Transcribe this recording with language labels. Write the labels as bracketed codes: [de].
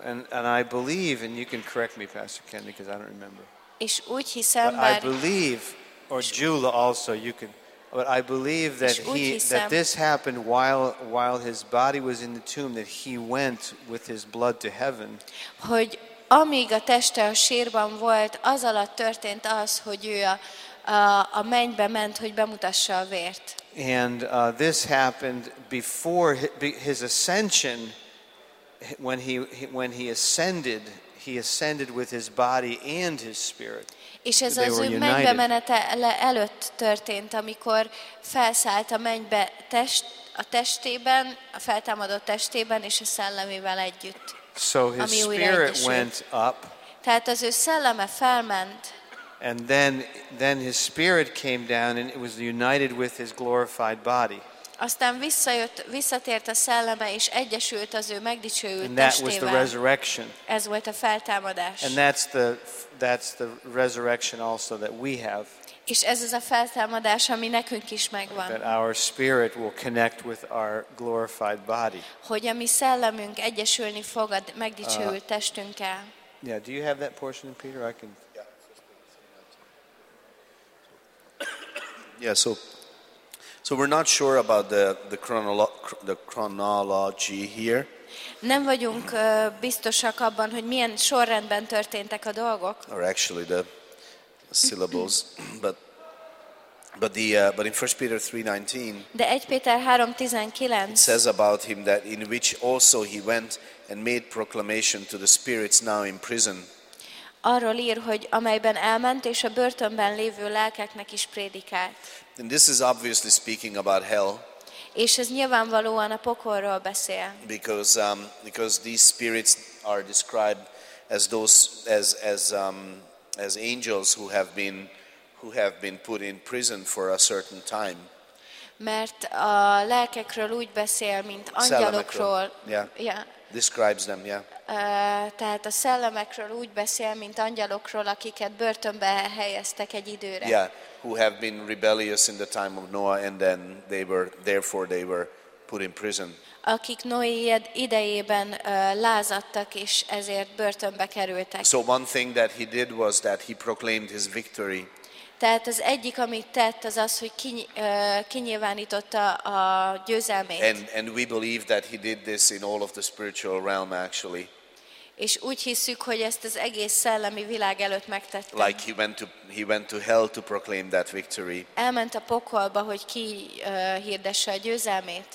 [en] And I believe, and you can correct me, Pastor Kendi, because I don't remember. [hu] És úgy hiszem, [en] but I believe, or Jula also, you can. But I believe that that this happened while his body was in the tomb, that he went with his blood to heaven. [hu] Hogy amíg a teste a sírban volt, az alatt történt az, hogy ő a mennybe ment, hogy bemutassa a vért. [en] And this happened before his ascension. When he ascended, he ascended with his body and his spirit. [hu] És ez az ő mennybemenetele előtt történt, amikor felszállt a mennybe a testében, a feltámadott testében és a szellemével együtt. [en] So his spirit went up. [hu] Tehát az ő szelleme felment. [en] And then his spirit came down and it was united with his glorified body. [hu] Aztán visszatért a szelleme és egyesült az ő megdicsőült testével. [en] And that was the resurrection. [hu] Ez volt a feltámadás. [en] And that's the resurrection also that we have. [hu] És ez az a feltámadás, ami nekünk is megvan. [en] That our spirit will connect with our glorified body. [hu] Hogy a mi szellemünk egyesülni fog a megdicsőült testünkkel. [en] Yeah, do you have that portion in Peter? I can. Yeah, so we're not sure about the chronology here. [hu] Nem vagyunk biztosak abban, hogy milyen sorrendben történtek a dolgok. [en] Or actually the syllables, but in 1 Peter 3:19. [hu] De 1 Péter 3:19. [en] It says about him that in which also he went and made proclamation to the spirits now in prison. [hu] Arról ír, hogy amelyben elment és a börtönben lévő lelkeknek is prédikált. [en] And this is obviously speaking about hell. [hu] És ez nyilvánvalóan a pokolról beszél. [en] Because these spirits are described as those as angels who have been put in prison for a certain time. [hu] Mert a lelkekről úgy beszél, mint angyalokról. [en] Describes them, yeah. [hu] Tehát a szellemekről úgy beszél, mint angyalokról, akiket börtönbe helyeztek egy időre. [en] Yeah, who have been rebellious in the time of Noah, and then therefore they were put in prison. [hu] Akik Noé idejében lázadtak, és ezért börtönbe kerültek. [en] So one thing that he did was that he proclaimed his victory. [hu] Tehát az egyik, amit tett, az az, hogy kinyilvánította a győzelmét. [en] And we believe that he did this in all of the spiritual realm actually. [hu] És úgy hiszük, hogy ezt az egész szellemi világ előtt megtette. [en] Like he went to hell to proclaim that victory. [hu] Elment a pokolba, hogy kihirdesse a győzelmét.